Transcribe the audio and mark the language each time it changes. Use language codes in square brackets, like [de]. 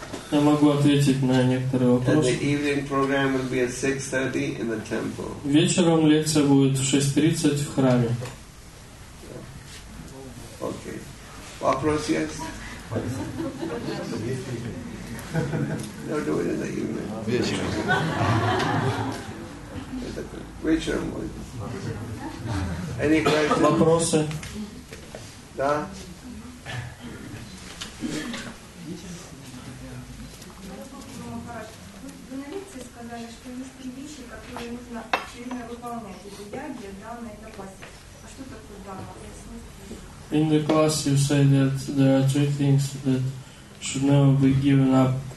[ru] Я могу ответить на некоторые вопросы. [en] And the evening program will be at 6:30 in the temple. [ru] Вечером лекция будет в 6:30 в храме. Okay. Вопрос есть? [en] No, do it in the evening. [ru] Вечером. [en] Any questions? [ru] Вопросы? Да. Что есть три вещи, которые нужно все время выполнять. Это яги, данные, это пасть. А [en] In the class you say that there are three things that should never be given up.